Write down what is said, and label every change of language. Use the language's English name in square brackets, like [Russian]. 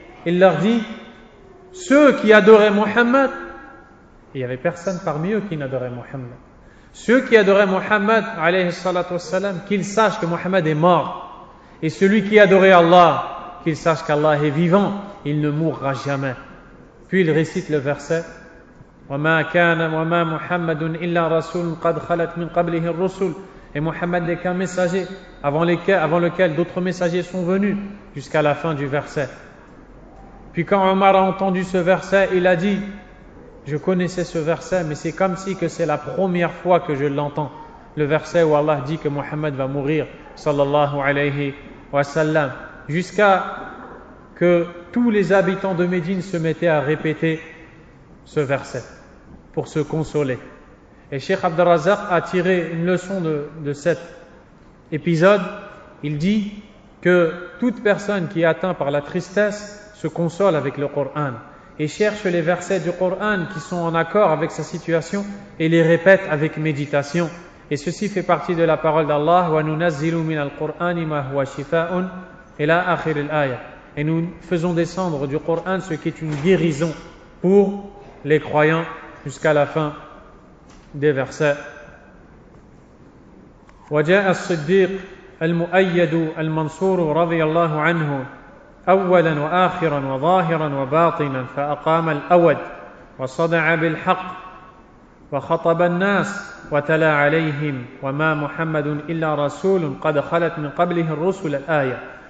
[French] Il leur dit, ceux qui adoraient Mohammed, il n'y avait personne parmi eux qui n'adorait Mohammed. Ceux qui adoraient Mohammed, alayhi salatu wassalam, qu'ils sachent que Mohammed est mort. Et celui qui adorait Allah, qu'il sache qu'Allah est vivant, il ne mourra jamais. Puis il récite le verset, [Arabic] وَمَا كَانَ وَمَا مُحَمَّدٌ إِلَّا رَسُولٌ قَدْ خَلَتْ مِنْ قَبْلِهِ الرُّسُولُ. [French] Et Mohammed n'est qu'un messager, avant lequel d'autres messagers sont venus, jusqu'à la fin du verset. Puis quand Omar a entendu ce verset, il a dit, je connaissais ce verset, mais c'est comme si que c'est la première fois que je l'entends. Le verset où Allah dit que Muhammad va mourir, sallallahu alayhi wa sallam. Jusqu'à que tous les habitants de Médine se mettaient à répéter ce verset pour se consoler. Et Cheikh Abdelrazak a tiré une leçon de cet épisode. Il dit que toute personne qui est atteinte par la tristesse se console avec le Coran et cherche les versets du Coran qui sont en accord avec sa situation et les répète avec méditation. Et ceci fait partie de la parole d'Allah « [Arabic] Wa nunazzilu min al-Qur'ani ma huwa shifa'un [French] » et la « [Arabic] akhir al-aya [French] » et nous faisons descendre du Coran ce qui est une guérison pour les croyants jusqu'à la fin des versets. [Arabic] وجاء الصديق المؤيد المنصور رضي الله عنه أولا وآخرا وظاهرا وباطنا فأقام الأود وصدع بالحق وخطب الناس وتلا عليهم وما محمد إلا رسول قد خلت من قبله الرسل الآية